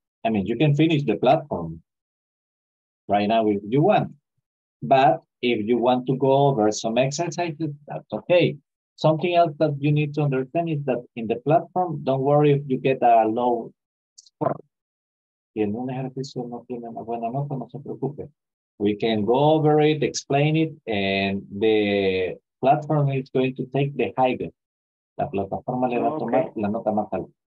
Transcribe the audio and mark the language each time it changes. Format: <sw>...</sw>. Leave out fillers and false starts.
<en>I mean, you can finish the platform right now if you want. But if you want to go over some exercises, that's okay. Something else that you need to understand is that in the platform, don't worry if you get a low score.</en> <es>Si en un ejercicio no tiene una buena nota, no se preocupe.</es> <en>We can go over it, explain it, and the platform is going to take the highest.</en> <es>La plataforma le va a tomar la nota más alta.</es>